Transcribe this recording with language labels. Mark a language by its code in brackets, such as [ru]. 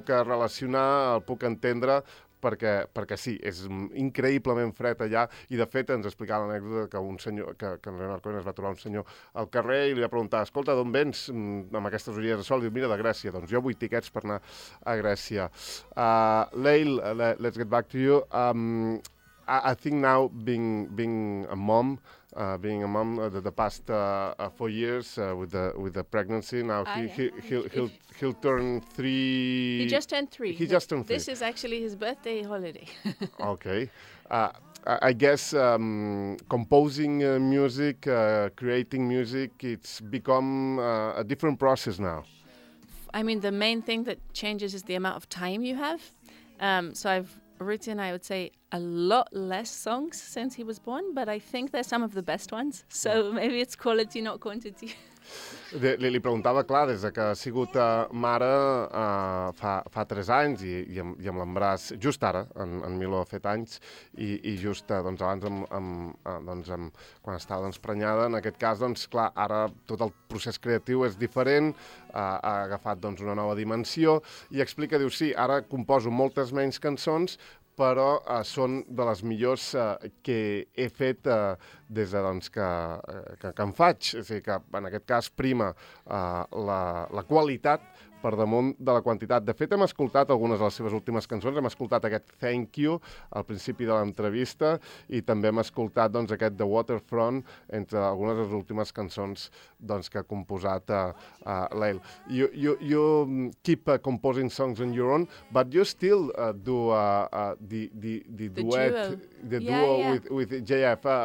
[ca] relacionar, el puc entendre, perquè sí, és increïblement fred allà, i de fet ens explicava l'anècdota que un senyor, que en Leonard Cohen es va trobar un senyor al carrer i li va preguntar, escolta, d'on vens amb aquestes ulleres de sol? I diu, mira, de Grècia, doncs jo 8 tiquets per anar a Grècia. [en] Leil, let's get back to you. I think now being a mom the past 4 years with the pregnancy now he'll turn 3. He just turned 3. This is actually his birthday holiday. Okay, I guess composing music, creating music, it's become a different process now. I mean, the main thing that changes is the amount of time you have. So I've written, I would say, a lot less songs since he was born, but I think they're some of the best ones. So maybe it's quality, not quantity. [ca] Li preguntava, clar, des que ha sigut mare fa 3 anys i amb l'embràs just ara, en Milo ha fet anys, i just doncs, abans quan estava doncs, prenyada, en aquest cas, doncs, clar, ara tot el procés creatiu és diferent, ha agafat doncs, una nova dimensió, i explica, diu, sí, ara composo moltes menys cançons, però són de les millors que he fet des de doncs, que en faig. És a dir, que en aquest cas prima la qualitat per damunt de la quantitat. De fet, hem escoltat algunes de les seves últimes cançons, hem escoltat aquest Thank You al principi de l'entrevista i també hem escoltat doncs, aquest The Waterfront entre algunes de les últimes cançons doncs, que ha composat Leil. [en] You keep composing songs on your own, but you still do the duo with JF.